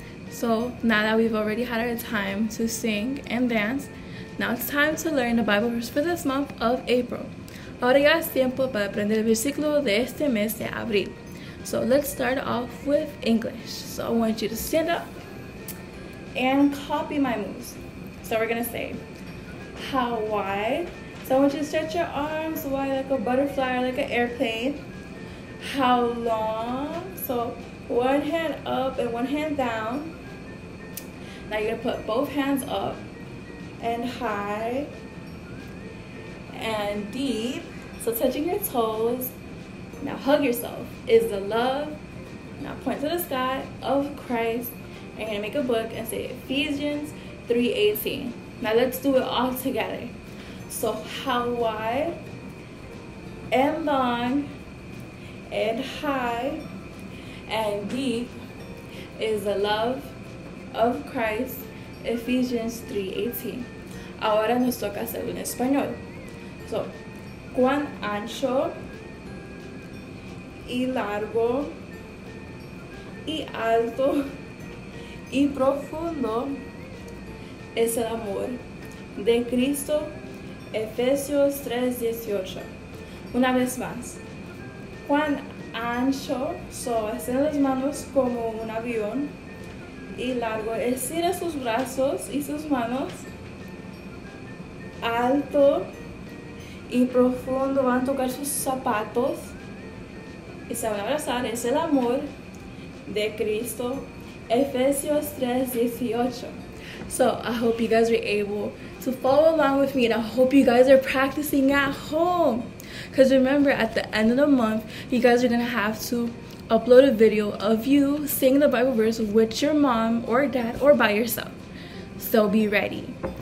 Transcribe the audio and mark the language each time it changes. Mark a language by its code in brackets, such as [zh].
[en] So now that we've already had our time to sing and dance, now it's time to learn the Bible verse for this month of April. [es] Ahora ya es tiempo para aprender el versículo de este mes de abril. [en] So let's start off with English. So I want you to stand up and copy my moves. So we're gonna say, how wide? So I want you to stretch your arms wide like a butterfly or like an airplane. How long? So one hand up and one hand down. Now you're gonna put both hands up and high and deep. So touching your toes. Now hug yourself. Is the love, now point to the sky, of Christ. And you're gonna make a book and say Ephesians 3:18. Now let's do it all together. So how wide and long and high and deep is the love of Christ, Ephesians 3:18. [es] Ahora nos toca hacerlo en español. So, cuán ancho y largo y alto y profundo es el amor de Cristo, Efesios 3:18. Una vez más, cuán ancho, so, estira las manos como un avión, y largo, estira sus brazos y sus manos, alto y profundo, van a tocar sus zapatos y se van a abrazar, es el amor de Cristo, Efesios 3:18. [en] So, I hope you guys were able to follow along with me, and I hope you guys are practicing at home. Because remember, at the end of the month, you guys are going to have to upload a video of you singing the Bible verse with your mom or dad or by yourself. So be ready.